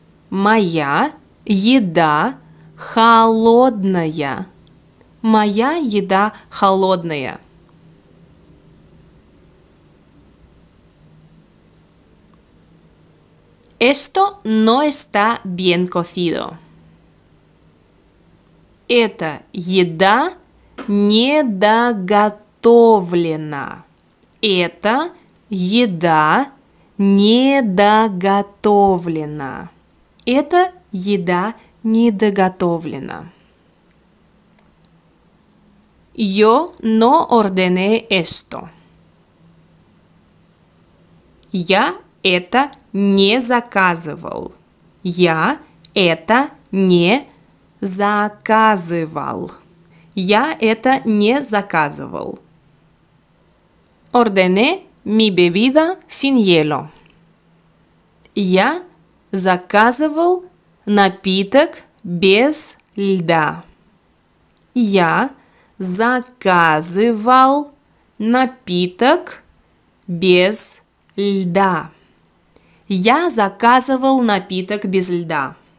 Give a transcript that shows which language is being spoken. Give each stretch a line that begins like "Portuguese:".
Russian: Моя еда холодная. Моя еда холодная.
Spanish: Esto no está bien cocido.
Russian: Эта еда недоготовлена. Эта Еда недоготовлена. Это еда недоготовлена.
Spanish: Yo no ordené esto.
Russian: Я это не заказывал. Я это не заказывал. Я это не заказывал.
Spanish: Ordené mi bebida sin hielo.
Russian: Я заказывал напиток без льда. Я заказывал напиток без льда. Я заказывал напиток без льда.